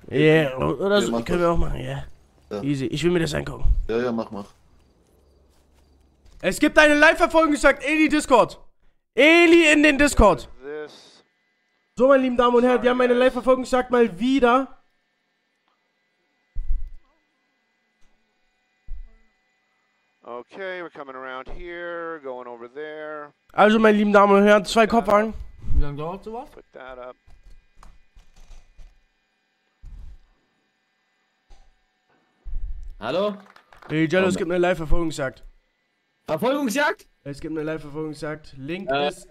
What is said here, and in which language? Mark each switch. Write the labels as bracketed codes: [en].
[de] Ja, yeah, oder so. Können wir auch machen, ja. Ja. Easy, ich will mir das angucken. Ja, mach. Es gibt eine Live-Verfolgungsjagd, Eli Discord. Eli in den Discord. So, meine lieben Damen und Herren, wir haben eine Live-Verfolgungsjagd mal wieder. [en] Okay, we're coming around here, going over there. [de] Also, meine lieben Damen und Herren, zwei Kopfhaken. Wie lange dauert sowas? [en] Put that up. [de] Hallo? Hey, Jello, es gibt eine Live-Verfolgungsjagd. Verfolgungsjagd? Es gibt eine Live-Verfolgungsjagd. Link ist